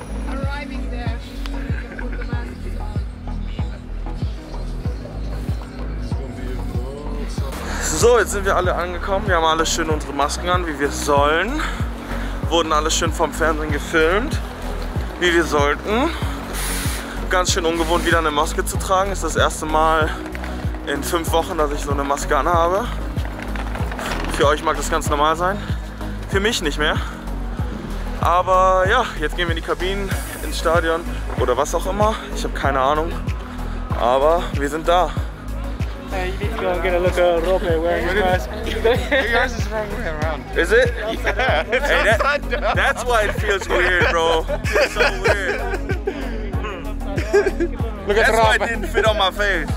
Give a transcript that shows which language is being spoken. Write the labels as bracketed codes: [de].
[en] Arriving there, put the mask on. [de] So, jetzt sind wir alle angekommen. Wir haben alle schön unsere Masken an, wie wir sollen. Wurden alle schön vom Fernsehen gefilmt, wie wir sollten. Ganz schön ungewohnt, wieder eine Maske zu tragen. Ist das erste Mal in 5 Wochen, dass ich so eine Maske anhabe. Für euch mag das ganz normal sein. Für mich nicht mehr. Aber ja, jetzt gehen wir in die Kabinen, ins Stadion oder was auch immer. Ich habe keine Ahnung. Aber wir sind da. [en] Hey, you need to go and get a look at Robbie wearing his mask. You guys is the wrong way around. Is it? Yeah, it's upside down. That's why it feels weird, bro. It's so weird. Look at that's why it didn't fit on my face.